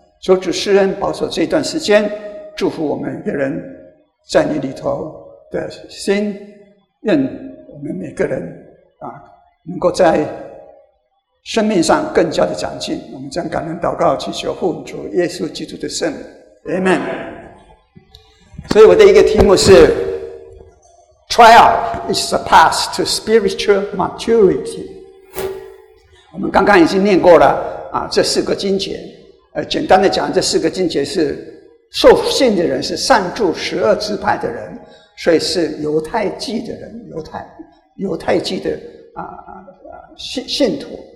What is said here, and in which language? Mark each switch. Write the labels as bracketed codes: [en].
[zh] 求主施恩保守这段时间，祝福我们每个人在你里头的心，愿我们每个人能够在生命上更加的长进。我们将感恩祷告祈求奉主耶稣基督的圣名， Amen。所以我的一个题目是 [en] Trial is the path to spiritual maturity。 [zh] 我们刚刚已经念过了这四个经节，简单的讲，这四个经节是受信的人是善助十二支派的人，所以是犹太祭的人，犹太祭的信徒。